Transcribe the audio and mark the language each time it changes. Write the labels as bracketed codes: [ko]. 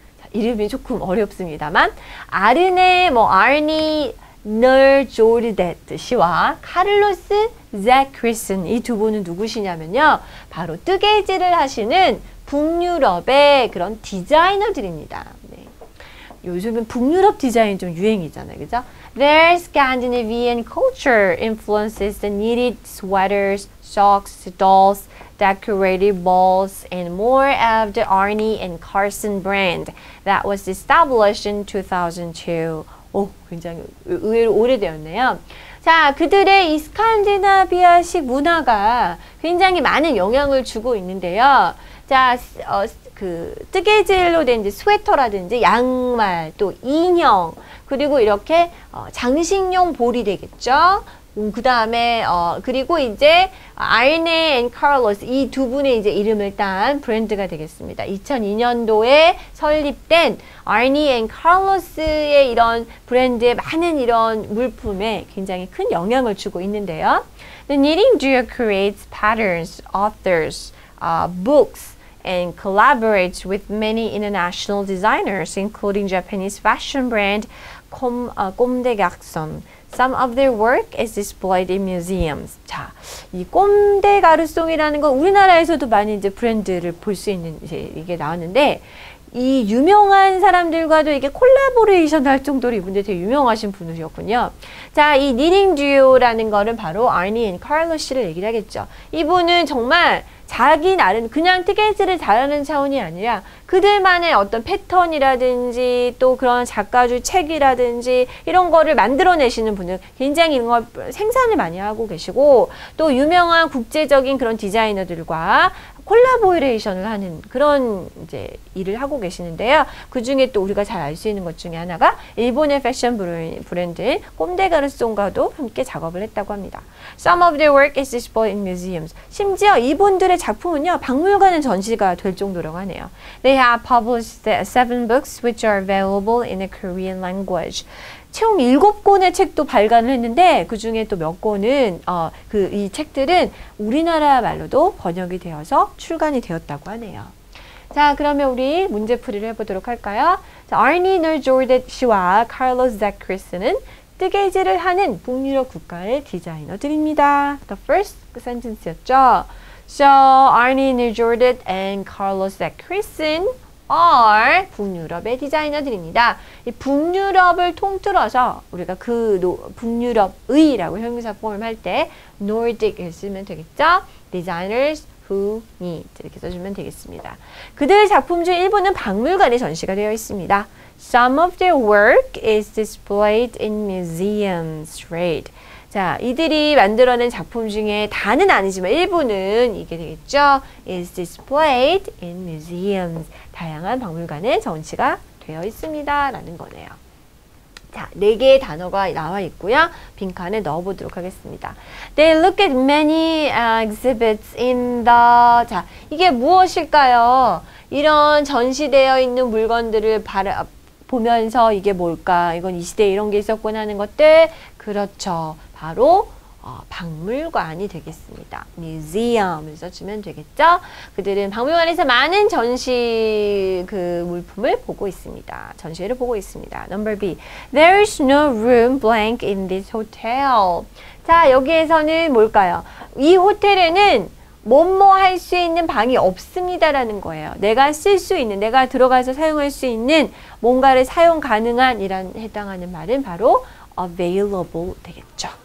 [ko] 자, 이름이 조금 어렵습니다만 Arne Nørjordat 씨와 카를로스 Zachrisson 이 두 분은 누구시냐면요. 바로 뜨개질을 하시는 북유럽의 그런 디자이너들입니다. 네. 요즘은 북유럽 디자인 좀 유행이잖아요. 그죠? [en] Their Scandinavian culture influences the knitted sweaters, socks, dolls, decorated balls, and more of the Arne and Carlsson brand that was established in 2002. [ko] 오, 굉장히 의외로 오래되었네요. 자, 그들의 이 스칸디나비아식 문화가 굉장히 많은 영향을 주고 있는데요. 자, 뜨개질로 된 이제 스웨터라든지 양말, 또 인형, 그리고 이렇게 장식용 볼이 되겠죠. 그 다음에 그리고 이제 Arne and Carlos 이 두 분의 이제 이름을 딴 브랜드가 되겠습니다. 2002년도에 설립된 Arne and Carlos의 이런 브랜드의 많은 이런 물품에 굉장히 큰 영향을 주고 있는데요. [en] The knitting duo creates patterns, authors, books. And collaborates with many international designers, including Japanese fashion brand Komde Garçon. Some of their work is displayed in museums. [ko] 자, 이 꼼데 가르송이라는 건 우리나라에서도 많이 이제 브랜드를 볼 수 있는 이제 이게 나왔는데 이 유명한 사람들과도 이게 콜라보레이션 할 정도로 이분들 되게 유명하신 분이었군요. 자, 이 니딩 듀오라는 거는 바로 Arne and Carlos 씨를 얘기를 하겠죠. 이분은 정말 자기 나름 그냥 뜨개질을 잘하는 차원이 아니라 그들만의 어떤 패턴이라든지 또 그런 작가줄 책이라든지 이런 거를 만들어내시는 분은 굉장히 이런 걸 생산을 많이 하고 계시고 또 유명한 국제적인 그런 디자이너들과 콜라보레이션을 하는 그런 이제 일을 하고 계시는데요. 그 중에 또 우리가 잘 알 수 있는 것 중에 하나가 일본의 패션 브랜드인 꼼데 가르송과도 함께 작업을 했다고 합니다. [en] Some of their work is displayed in museums. [ko] 심지어 이분들의 작품은요, 박물관에 전시가 될 정도라고 하네요. [en] They have published 7 books which are available in the Korean language. [ko] 총 7권의 책도 발간을 했는데 그 중에 또 몇 권은 이 책들은 우리나라 말로도 번역이 되어서 출간이 되었다고 하네요. 자, 그러면 우리 문제 풀이를 해보도록 할까요? 자, Arne Nørjordat 씨와 Carlos Zachrisson은 뜨개질을 하는 북유럽 국가의 디자이너들입니다. [en] The first sentence였죠. So Arne Nørjordat and Carlos Zachrisson are [ko] 북유럽의 디자이너들입니다. 이 북유럽을 통틀어서 우리가 그 북유럽의라고 형용사 포함을 할 때 Nordic을 쓰면 되겠죠. [en] Designers who need [ko] 이렇게 써주면 되겠습니다. 그들 작품 중 일부는 박물관에 전시가 되어 있습니다. [en] Some of their work is displayed in museums, right? [ko] 자, 이들이 만들어낸 작품 중에 다는 아니지만 일부는 이게 되겠죠. [en] Is displayed in museums. [ko] 다양한 박물관에 전시가 되어 있습니다. 라는 거네요. 자, 네 개의 단어가 나와 있고요. 빈칸에 넣어보도록 하겠습니다. [en] They look at many exhibits in the... [ko] 자, 이게 무엇일까요? 이런 전시되어 있는 물건들을 보면서 이게 뭘까? 이건 이 시대에 이런 게 있었구나 하는 것들? 그렇죠. 바로 박물관이 되겠습니다. Museum을 써주면 되겠죠. 그들은 박물관에서 많은 전시 그 물품을 보고 있습니다. 전시회를 보고 있습니다. [en] Number B. There is no room blank in this hotel. [ko] 자, 여기에서는 뭘까요? 이 호텔에는 뭐뭐 할 수 있는 방이 없습니다라는 거예요. 내가 쓸 수 있는, 내가 들어가서 사용할 수 있는 뭔가를 사용 가능한 이란 해당하는 말은 바로 available 되겠죠.